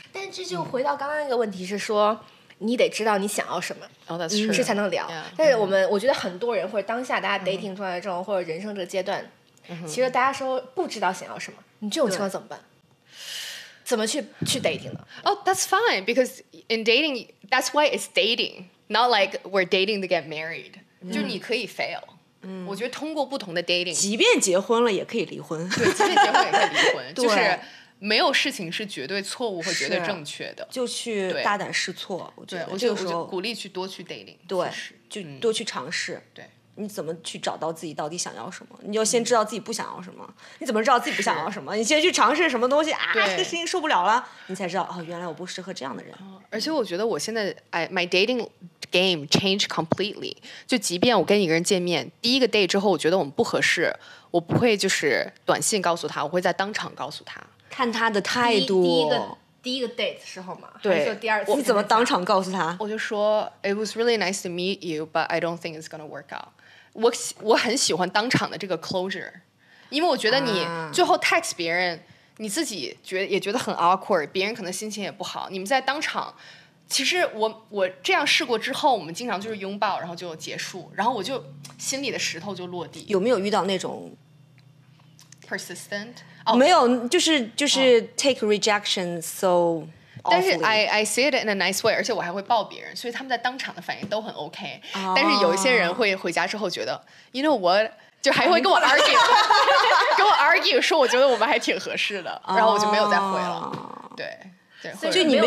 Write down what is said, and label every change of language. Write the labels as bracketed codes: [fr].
[zh] 但这就回到刚刚那个问题，是说。你得知道你想要什么， oh, 是才能聊。 Yeah, 但是我们、我觉得很多人或者当下大家 dating 状态中、或者人生这个阶段、其实大家说不知道想要什么，你这种情况怎么办？怎么去 dating 呢？ [en] 哦、oh, ，that's fine because in dating that's why it's dating, not like we're dating to get married、嗯。 [zh] 就你可以 fail。嗯，我觉得通过不同的 dating，即便结婚了也可以离婚。对，即便结婚也可以离婚，就是。没有事情是绝对错误或绝对正确的，就去大胆试错。我觉得这个时候鼓励去多去 dating，对，就多去尝试。对，你怎么去找到自己到底想要什么？你要先知道自己不想要什么。你怎么知道自己不想要什么？你先去尝试什么东西啊？这个事情受不了了，你才知道哦，原来我不适合这样的人。而且我觉得我现在 [en] my dating game changed completely。 [zh] 就即便我跟一个人见面，第一个 date 之后，我觉得我们不合适，我不会就是短信告诉他，我会在当场告诉他。看他的态度。第一个 date 时候嘛，对，还是第二次你怎么当场告诉他？我就说 [en] It was really nice to meet you but I don't think it's gonna work out。 [zh] 我很喜欢当场的这个 closure， 因为我觉得你最后 text 别人、啊、你自己也觉得很 awkward， 别人可能心情也不好，你们在当场其实我这样试过之后，我们经常就是拥抱然后就结束，然后我就心里的石头就落地。有没有遇到那种 [en] persistent、oh, [zh] 没有，就是 [en] take rejection so awfully， [zh] 但是 [en] I see it in a nice way， [zh] 而且我还会抱别人，所以他们在当场的反应都很 OK、啊、但是有一些人会回家之后觉得 [en] you know what， [zh] 就还会跟我 argue 跟我 argue 说我觉得我们还挺合适的、啊、然后我就没有再回了。对，所以就你没